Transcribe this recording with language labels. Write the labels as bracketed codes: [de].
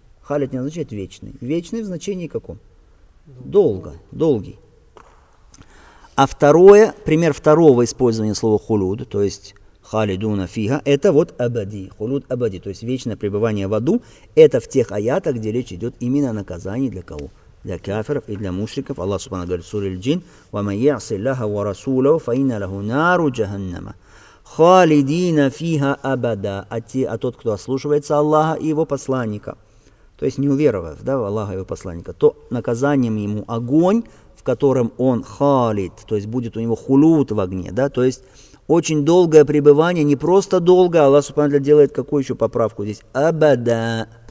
[ru] Халид не означает вечный. Вечный в значении каком? Долго, долгий. А второе, пример второго использования слова хулуд, то есть халидуна фига, это вот абади. Хулуд абади, то есть вечное пребывание в аду, это в тех аятах, где речь идет именно о наказании для кого? Для кафиров и для мушриков. Аллах Субхана говорит в суре Аль-Джин: [ar] وَمَنْ يَعْصِ اللَّهَ وَرَسُولَهُ فَإِنَّ لَهُ نَارُ جَهَنَّمَ خَالِدِينَ فِيهَا أَبَدًا. [ru] А тот, кто ослушивается Аллаха и его посланника, то есть не уверовав, да, в Аллаха и его посланника, то наказанием ему огонь, в котором он халид, то есть будет у него хулуд в огне, да, то есть очень долгое пребывание, не просто долго, Аллах Субхана Тааля делает какую еще поправку здесь? Абада.